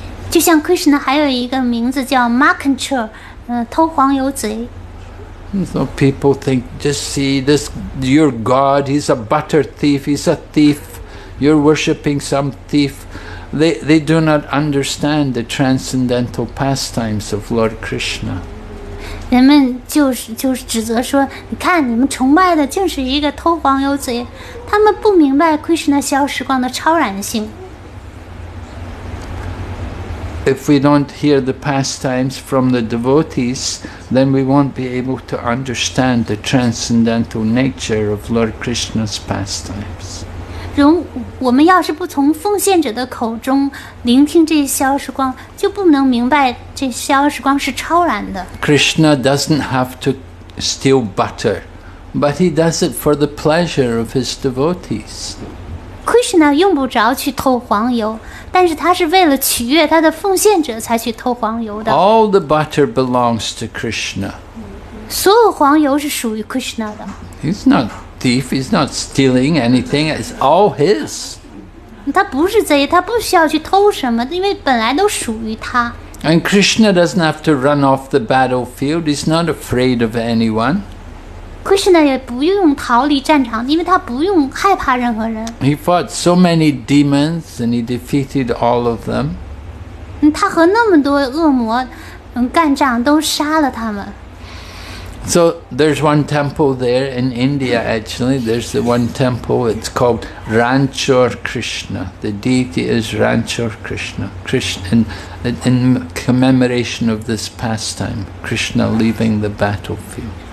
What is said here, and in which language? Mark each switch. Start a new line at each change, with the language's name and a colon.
Chinese: 就像 Krishna 还有一个名字叫 Mukkanchor, 偷黄油贼。
English: So people think, just see this, your God, he's a butter thief, he's a thief, you're worshipping some thief. They do not understand the transcendental pastimes of Lord Krishna.
Chinese: 人们就是指责说，你看你们崇拜的就是一个偷黄油贼，他们不明白 Krishna 消时光的超然性。
English: If we don't hear the pastimes from the devotees, then we won't be able to understand the transcendental nature of Lord Krishna's pastimes.
Chinese: 我们要是不从奉献者的口中聆听这消时光，就不能明白这消时光是超然的。
English: Krishna doesn't have to steal butter, but he does it for the pleasure of his devotees.
Chinese: Krishna 用不着去偷黄油，但是他是为了取悦他的奉献者才去偷黄油的。
English: All the butter belongs to Krishna.
Chinese: 所有黄油是属于 Krishna 的。
English: He's not a thief, he's not stealing anything, it's all his.
Chinese: 他不是贼，他不需要去偷什么，因为本来都属于他。
English: And Krishna doesn't have to run off the battlefield, he's not afraid of anyone.
Chinese: Krishna 也不用逃离战场，因为他不用害怕任何人。
English: He fought so many demons and he defeated all of them.
Chinese: 他和那么多恶魔干仗，都杀了他们。
English: So there's one temple there in India, actually. There's the one temple, it's called Ranchor Krishna. The deity is Ranchor Krishna. In commemoration of this pastime, Krishna leaving the battlefield.